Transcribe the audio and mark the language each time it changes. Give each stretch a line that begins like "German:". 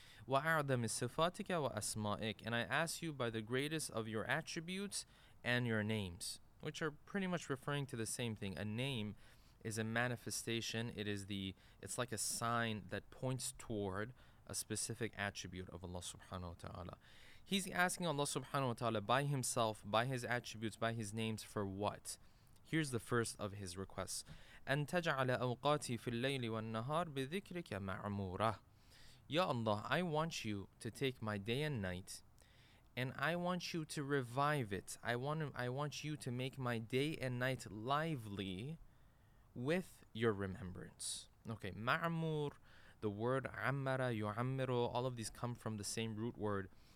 Arabic: وَأَعْدَمِ صِفَاتِكَ وَأَسْمَائِكَ,
English: and I ask you by the greatest of your attributes and your names, which are pretty much referring to the same thing. A name is a manifestation. It's like a sign that points toward a specific attribute of Allah subhanahu wa ta'ala. He's asking Allah subhanahu wa ta'ala by himself, by his attributes, by his names, for what? Here's the first of his requests.
Arabic: أن تجعل أوقاتي في الليل والنهار بذكرك معمورة.
English: Ya Allah, I want you to take my day and night, and I want you to revive it. I want you to make my day and night lively with your remembrance. Okay, معمور, the word عمر, يعمر, all of these come from the same root word.